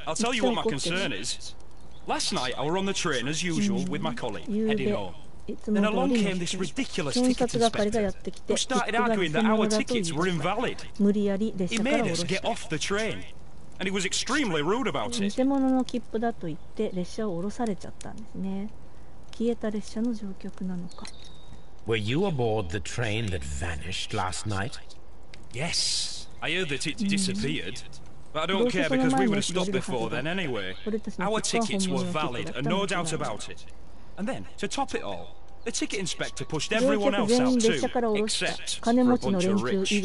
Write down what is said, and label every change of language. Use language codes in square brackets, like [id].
[en] I'll tell you what my concern is. Last night, I were on the train as usual with my colleague, heading home. Then along came this ridiculous ticket inspector, who started arguing that our tickets were invalid. He made us get off the train, and he was extremely rude about it. [ja] 偽物の切符だと言って列車を降ろされちゃったんですね。消えた列車の乗客なのか。 [en] Were you aboard the train that vanished last night? Yes, I heard that it disappeared. But I don't care because we would have stopped before then anyway. Our tickets were valid and no doubt about it. And then, to top it all, the ticket inspector pushed everyone else out too, except for a bunch of rich.